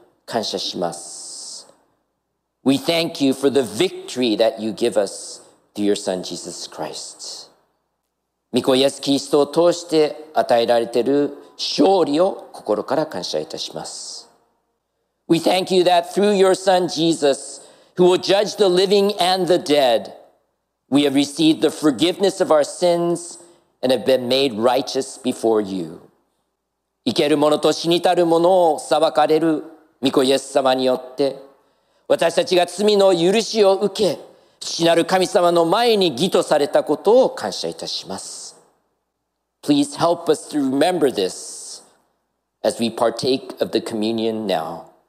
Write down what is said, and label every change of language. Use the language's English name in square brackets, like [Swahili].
[Japanese] 御子イエスキリストを通して豊かで永遠の命を与えてくださることを感謝します. [English] We thank you for the victory that you give us through your Son, Jesus Christ. [Japanese] 御子イエスキリストを通して与えられている勝利を心から感謝いたします. [English] We thank you that through your Son, Jesus, who will judge the living and the dead, we have received the forgiveness of our sins and have been made righteous before you. [Japanese] 生ける者と死に至る者を裁かれる御子イエス様によって、 私たちが罪の許しを受け、父なる神様の前に義とされたことを感謝いたします。 [English] Please help us to remember this as we partake of the communion now.